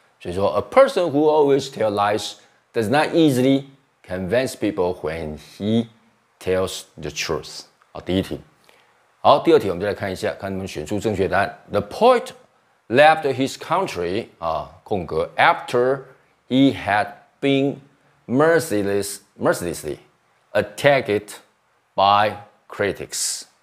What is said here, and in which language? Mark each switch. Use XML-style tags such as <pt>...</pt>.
<zh>所以说</zh> <en>，a person who always tells lies does not easily convince people when he tells the truth。</en> <zh>啊，第一题。好，第二题我们就来看一下，看能不能选出正确答案。</zh> <en>The poet left his country</en> <zh>啊，空格</zh> <en>after he had been mercilessly attacked by critics。</en>